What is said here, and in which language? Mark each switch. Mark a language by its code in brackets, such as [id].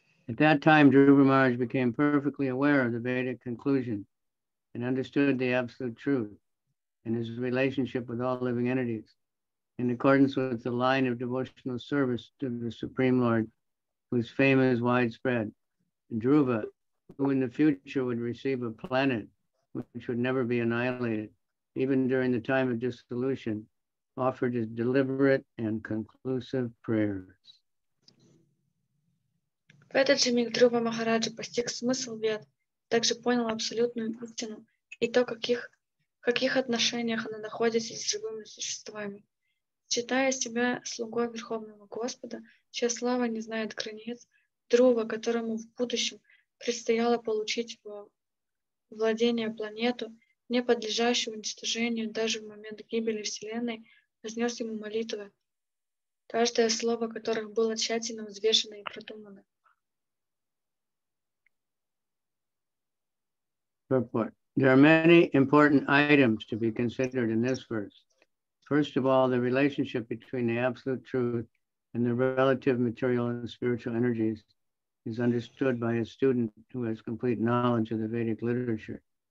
[en] At that time, Dhruva Maharaj became perfectly aware of the Vedic conclusion and understood the absolute truth and his relationship with all living entities in accordance with the line of devotional service to the Supreme Lord, whose fame is widespread. Dhruva, who in the future would receive a planet which would never be annihilated, even during the time of dissolution, offered his deliberate and conclusive prayers. [ru] В этот же миг Дхрува Махараджа постиг смысл Вед, также понял абсолютную истину и то, в каких отношениях она находится с живыми существами. Считая себя слугой Верховного Господа, чья слава не знает границ, Дхрува, которому в будущем предстояло получить во владение планету, не подлежащую уничтожению даже в момент гибели Вселенной, вознес ему молитвы, каждое слово которых было тщательно взвешено и продумано. [en] Purport. There are many important items to be considered in this verse. First of all, the relationship between the absolute truth and the relative material and spiritual energies is understood by a student who has complete knowledge of the Vedic literature.